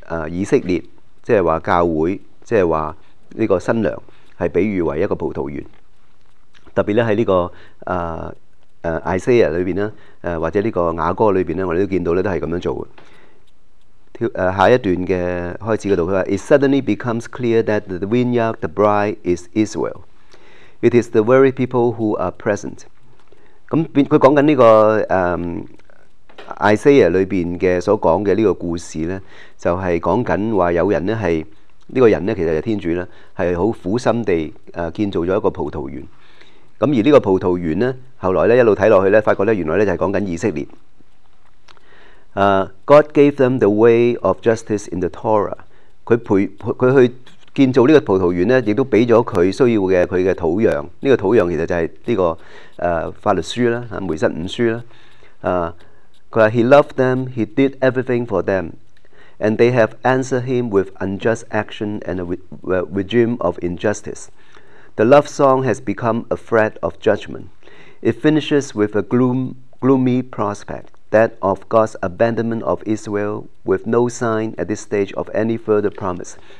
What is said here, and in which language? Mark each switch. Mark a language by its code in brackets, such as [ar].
[yue] 以色列即、就是说教会即、就是说这个新娘是比喻为一个葡萄园，特別咧喺呢個Isaiah 裏邊咧，或者呢個雅歌裏邊咧，我哋都見到咧都係咁樣做嘅。下一段嘅開始嗰度，佢話 [en] ：It suddenly becomes clear that the vineyard, the bride, is Israel. It is the very people who are present。 [yue] 咁佢講緊呢個Isaiah 裏邊嘅所講嘅呢個故事咧，就係講緊話有人咧係呢個人咧，其實係天主咧，係好苦心地建造咗一個葡萄園。咁而呢個葡萄園咧，後來咧一路睇落去咧，發覺咧原來咧就係講緊以色列。 [en] God gave them the way of justice in the Torah。 [yue] 佢去建造呢個葡萄園咧，亦都俾咗佢需要嘅佢嘅土壤。呢、這個土壤其實就係呢、這個法律書啦，啊梅瑟五書啦。佢話 [en] He loved them, He did everything for them, and they have answered Him with unjust action and a regime of injustice。 The love song has become a threat of judgment. It finishes with a gloomy prospect, that of God's abandonment of Israel, with no sign at this stage of any further promise.